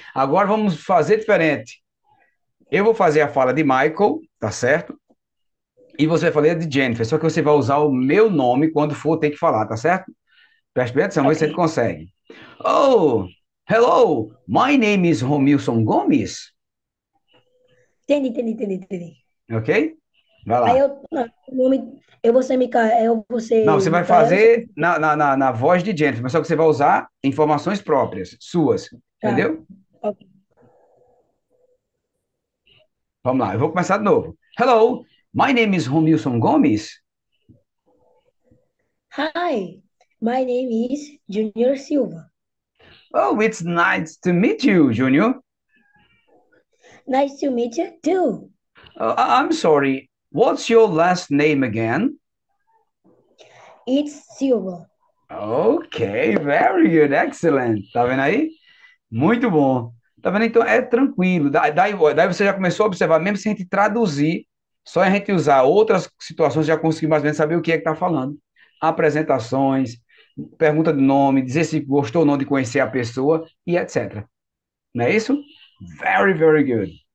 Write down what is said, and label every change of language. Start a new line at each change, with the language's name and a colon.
Portuguese: Agora vamos fazer diferente. Eu vou fazer a fala de Michael, tá certo? E você vai falar de Jennifer, só que você vai usar o meu nome quando for ter que falar, tá certo? Preste bem atenção, okay. Você consegue.
English: Oh, hello, my name is Romilson Gomes.
Portuguese: Entendi. Ok? Vai lá. Aí eu, não, nome, eu vou ser Mica, eu vou ser... Não, você vai fazer na voz de Jennifer, mas só que você vai usar informações próprias, suas, tá. Entendeu? Ok. Vamos lá, eu vou começar de novo.
English: Hello, my name is Romilson Gomes. Hi, my name is Junior Silva. Oh, it's nice to meet you, Junior. Nice to meet you, too. I'm sorry, what's your last name again? It's Silva. Okay, very good, excellent.
Portuguese: Tá vendo aí? Muito bom. Tá vendo? Então, é tranquilo. Daí você já começou a observar, mesmo sem a gente traduzir, só a gente usar outras situações, já conseguiu mais ou menos saber o que é que tá falando. Apresentações, pergunta de nome, dizer se gostou ou não de conhecer a pessoa, e etc. Não é isso?
English: Very, very good.